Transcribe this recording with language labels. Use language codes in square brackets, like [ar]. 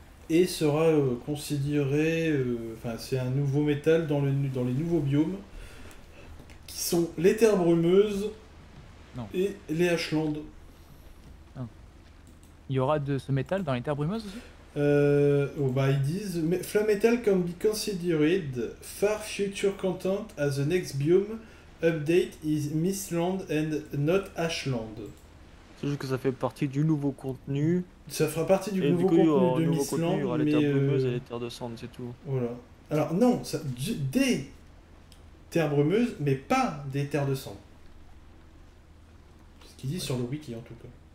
[fr] et sera considéré, enfin c'est un nouveau métal dans les nouveaux biomes, qui sont les terres brumeuses et les Ashlands. Il y aura de ce métal dans les terres brumeuses aussi. Oh bah ils disent [en] Flame Metal can be considered far future content as the next biome update is Mistland and not Ashland. [fr] C'est juste que ça fait partie du nouveau contenu. Ça fera partie du nouveau contenu de Mistland. Il y aura les terres brumeuses et les terres de cendres, c'est tout. Voilà. Alors non, ça, des terres brumeuses, mais pas des terres de cendres. C'est ce qu'ils disent sur le wiki en tout cas.